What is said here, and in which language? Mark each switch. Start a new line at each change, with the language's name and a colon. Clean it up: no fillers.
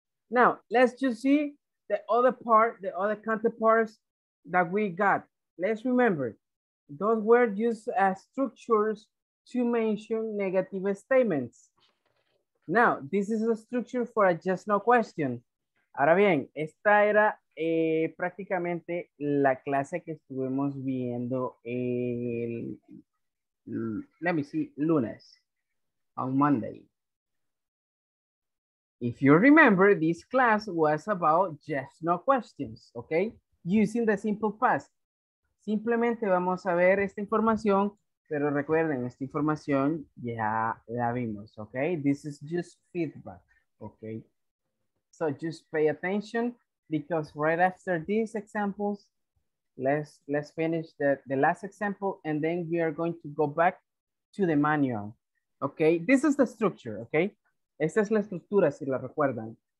English: Now, let's just see the other part, the other counterparts that we got. Let's remember, those were just structures to mention negative statements. Now, this is a structure for a just no question.
Spanish: Ahora bien, esta era prácticamente la clase que estuvimos viendo el,
English: let me see,
Spanish: lunes,
English: on Monday. If you remember, this class was about just no questions, okay? Using the simple past.
Spanish: Simplemente vamos a ver esta información, pero recuerden, esta información ya la vimos, okay?
English: This is just feedback, okay? So just pay attention, because right after these examples, let's finish the last example, and then we are going to go back to the manual. Okay, this is the structure, okay?
Spanish: Esta es la estructura, si la recuerdan.